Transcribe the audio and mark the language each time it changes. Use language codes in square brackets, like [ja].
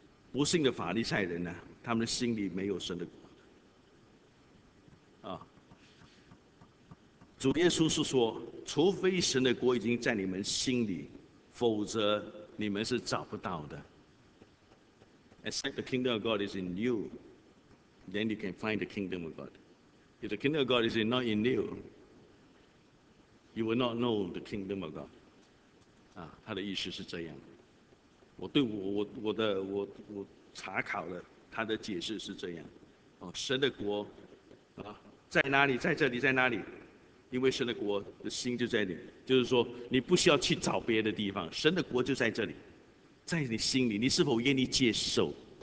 [zh] 不信的法利赛人呢，他们的心里没有神的国度啊。主耶稣是说，除非神的国已经在你们心里，否则你们是找不到的。 [en] Except the kingdom of God is in you, then you can find the kingdom of God. If the kingdom of God is not in you, you will not know the kingdom of God. [zh] 啊，他的意思是这样。我查考了，他的解释是这样。哦，神的国啊，在哪里？在这里，在哪里？因为神的国的心就在你，就是说你不需要去找别的地方，神的国就在这里，在你心里。你是否愿意接受？